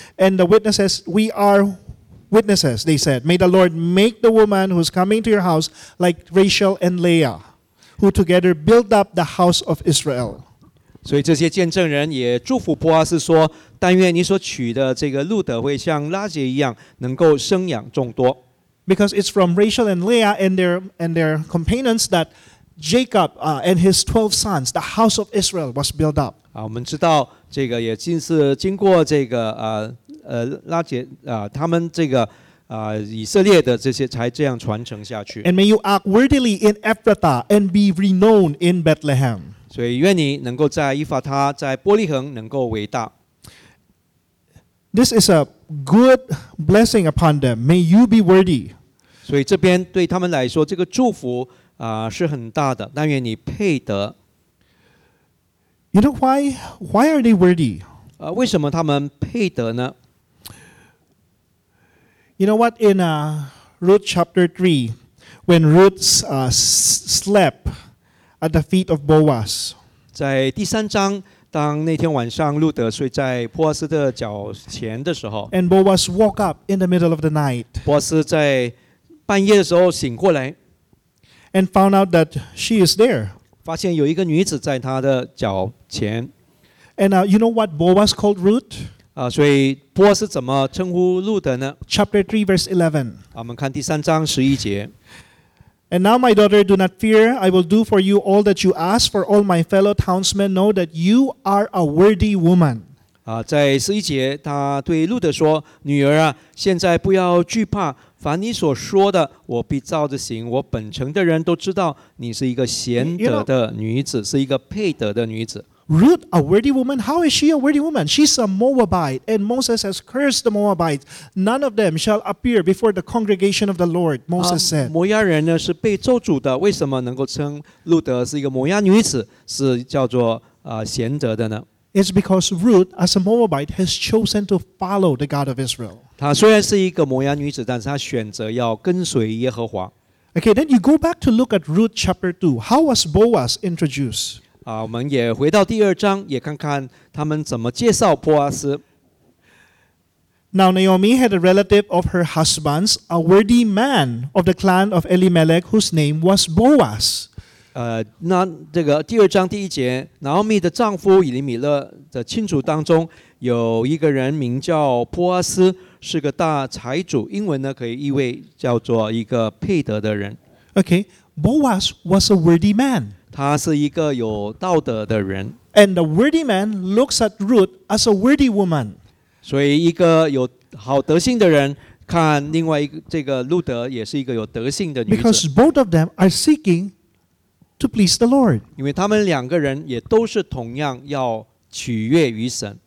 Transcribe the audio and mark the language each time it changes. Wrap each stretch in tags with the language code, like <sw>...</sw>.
<en>And the witnesses, we are... Witnesses, they said, may the Lord make the woman who's coming to your house like Rachel and Leah, who together built up the house of Israel.</en> <zh>所以这些见证人也祝福波阿斯说，但愿你所娶的这个路德会像拉结一样，能够生养众多。</zh> <en>Because it's from Rachel and Leah and their companions that Jacob and his 12 sons, the house of Israel was built up.</en> <zh>我们知道这个也正是经过这个拉结他们这个以色列的这些才这样传承下去。</zh> <en>And may you act worthily in Ephrathah and be renowned in Bethlehem.</en> <zh>所以愿你能够在以法他在伯利恒能够伟大。</zh> <en>This is a good blessing upon them. May you be worthy.</en> <zh>所以这边对他们来说，这个祝福啊是很大的。但愿你配得。</zh> <en>You know why are they worthy?</en> <zh>为什么他们配得呢？</zh> <en>You know what? In Ruth chapter 3, when Ruth slept at the feet of Boaz.</en> <zh>在第三章。当那天晚上路德睡在波阿斯的脚前的时候</zh> <en>And Boaz woke up in the middle of the night.</en> <zh>波阿斯在半夜的时候醒过来</zh> <en>And found out that she is there.</en> <zh>发现有一个女子在他的脚前</zh> <en>And you know what Boaz called Ruth?</en> <zh>所以波阿斯怎么称呼路德呢</zh> <en>Chapter 3 verse 11</en> <zh>我们看第三章十一节</zh> <en>And now, my daughter, do not fear. I will do for you all that you ask, for all my fellow townsmen know that you are a worthy woman.</en> <zh>在十一节，他对路德说：“女儿啊，现在不要惧怕，凡你所说的，我必照着行。我本城的人都知道你是一个贤德的女子，是一个配得的女子。”</zh> <en>Ruth, a worthy woman. How is she a worthy woman? She's a Moabite, and Moses has cursed the Moabites. None of them shall appear before the congregation of the Lord. Moses said.</en> <zh>摩押人呢是被咒诅的，为什么能够称路德是一个摩押女子，是叫做贤德的呢？</zh> <en>It's because Ruth, as a Moabite, has chosen to follow the God of Israel.</en> <zh>她虽然是一个摩押女子，但是她选择要跟随耶和华。</zh> <en>Okay, then you go back to look at Ruth chapter 2. How was Boaz introduced?</en> <zh>我们也回到第二章，也看看他们怎么介绍波阿斯。</zh> <en>Now Naomi had a relative of her husband's, a worthy man of the clan of Elimelech, whose name was Boaz.</en> <zh>那这个第二章第一节 ，Naomi 的丈夫以利米勒的亲族当中有一个人名叫波阿斯，是个大财主，英文呢可以意味叫做一个配得的人。</zh> <en>Okay, Boaz was a worthy man.</en> <zh>他是一个有道德的人</zh> <en>And the worthy man looks at Ruth as a worthy woman.</en> <zh>所以一个有好德性的人看另外一个这个路德也是一个有德性的女子</zh> <en>Because both of them are seeking to please the Lord.</en> <zh>因为他们两个人也都是同样要取悦于神</zh>